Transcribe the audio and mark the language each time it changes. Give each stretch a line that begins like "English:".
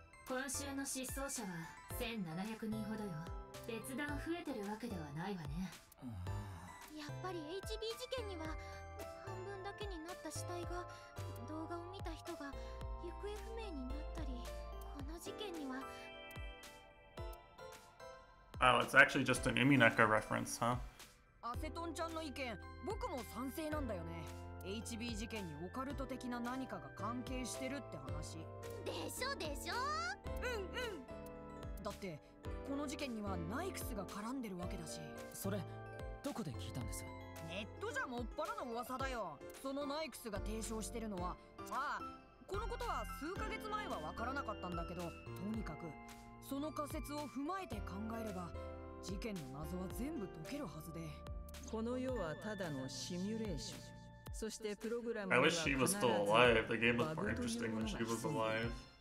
Japanese: 今週の失踪者は1700人ほどよ。別段増えてるわけではないわね。やっぱり HB 事件には、半分だけになった死体が、動画を見た人が行方不明になったり、この事件には。
English: Oh, it's actually just an Umineko reference, huh?
Japanese: Aceton-chan の意見、僕も賛成なんだよね。 HB 事件にオカルト的な何かが関係してるって話。でしょでしょ？うんうん。だって、この事件にはナイクスが絡んでるわけだし。それ、どこで聞いたんです？ネットじゃもっぱらの噂だよ。そのナイクスが提唱してるのは、ああ、このことは数ヶ月前は分からなかったんだけど、とにかく、その仮説を踏まえて考えれば、事件の謎は全部解けるはずで。この世はただのシミュレーション。そしてプログラムは必ず。
English: I wish she was still alive. The game was more interesting when she was alive.